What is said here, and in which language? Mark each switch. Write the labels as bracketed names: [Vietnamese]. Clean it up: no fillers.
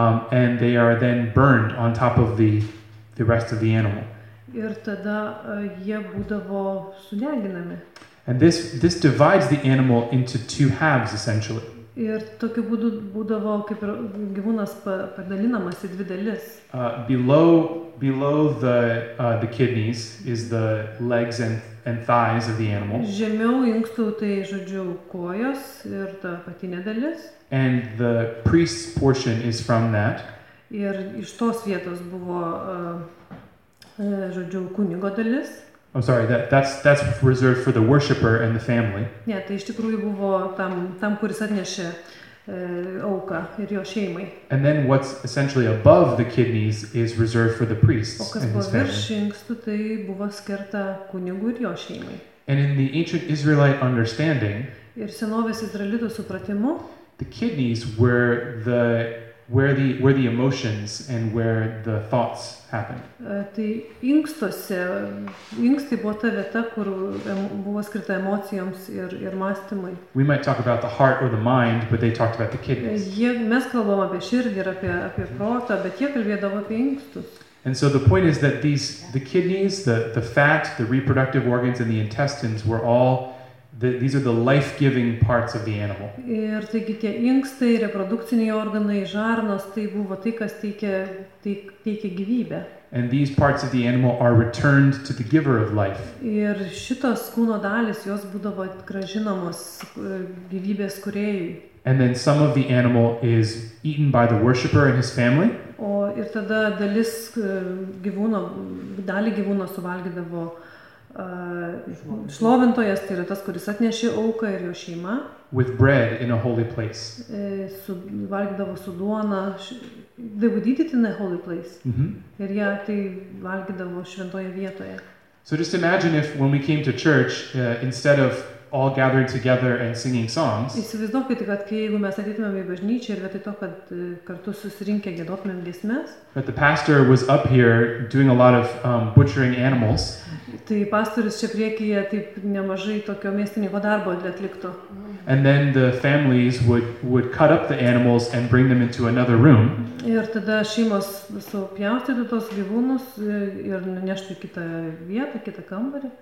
[English] And they are then burned on top of the rest of the animal. [Lithuanian] Ir tada jie būdavo sudeginami. [English] And this divides the animal into two halves essentially. [Lithuanian] Ir tokiu būdu būdavo kaip ir gyvūnas padalinamas į dvi dalis. [English] Below the kidneys is the legs and thighs of the animal. [Lithuanian] Žemiau inkstų tai žodžiu kojos ir ta patinė dalis. [English] And the priest's portion is from that. [Lithuanian] Ir iš tos vietos buvo žodžiu kunigo dalis. [English] I'm sorry, that's reserved for the worshipper and the family. [Lithuanian] Ne, tai iš tikrųjų buvo tam kuris atnešė auką ir jo šeimai. [English] And then what's essentially above the kidneys is reserved for the priests and his family. [Lithuanian] O kas buvo virš inkstų, tai buvo skirta kunigui ir jo šeimai. [English] And in the ancient Israelite understanding, [Lithuanian] ir senovės izraelitų supratimu, [English] the kidneys were where the emotions and where the thoughts happen. [Lithuanian] Tai inkstuose, inkstai buvo ta vieta, kur buvo skirta emocijoms ir mąstymui. [English] We might talk about the heart or the mind, but they talked about the kidneys. [Lithuanian] Mes kalbam apie širdį ir apie protą, bet jie kalbėdavo apie inkstus. [English] And so the point is that the kidneys, the fat, the reproductive organs and the intestines were all these are the life-giving parts of the animal. [Lithuanian] Ir taigi tie inkstai, reprodukciniai organai, žarnos, tai buvo tai, kas teikė gyvybę. [English] And these parts of the animal are returned to the giver of life. [Lithuanian] Ir šitos kūno dalys, jos būdavo grąžinamos gyvybės kūrėjui. [English] And then some of the animal is eaten by the worshipper and his family. [Lithuanian] O ir tada dalis gyvūno, dalį gyvūno suvalgydavo šlovintojas, tai yra tas, kuris atnešė auką ir jo šeima. [English] With bread in a holy place. [Lithuanian] Valgydavo su duona. [English] They would eat it in a holy place. Mm-hmm. [Lithuanian] Ir jie tai valgydavo šventoje vietoje. [English] So just imagine if when we came to church, instead of all gathering together and singing songs. [Lithuanian] Įsivaizduokite, kad kai jeigu mes ateitumėm į bažnyčią ir vietoj to, kad kartu susirinkę giedotumėm giesmes. [English] But the pastor was up here doing a lot of butchering animals. [Lithuanian] Tai pastorius čia priekyje taip nemažai tokio mėsininko darbo atliktų. [English] And then the families would cut up the animals and bring them into another room. [Lithuanian] Ir tada šeimos supjaustytų tos gyvūnus ir neštų į kitą vietą, kitą kambarį.